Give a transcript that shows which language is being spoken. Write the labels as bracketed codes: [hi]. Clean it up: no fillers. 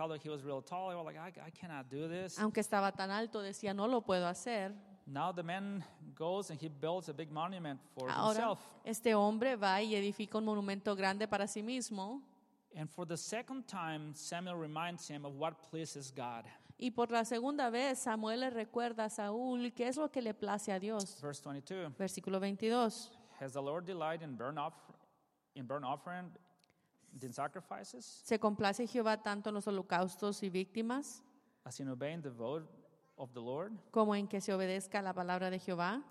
[en] Although he was real tall, he was like, I cannot do this. [es] Aunque estaba tan alto, decía, no lo puedo hacer. [en] Now the man goes and he builds a big monument for [es] Ahora, [en] himself. [es] Este hombre va y edifica un monumento grande para sí mismo. [en] And for the second time, Samuel reminds him of what pleases God. [es] Y por la segunda vez, Samuel le recuerda a Saúl qué es lo que le place a Dios. [en] Verse 22. [es] Versículo 22. [en] Has the Lord delight in burnt offering, in sacrifices? [es] ¿Se complace Jehová tanto en los holocaustos y víctimas? [en] As in obeying the vote of the Lord? [es] ¿Como en que se obedezca la palabra de Jehová?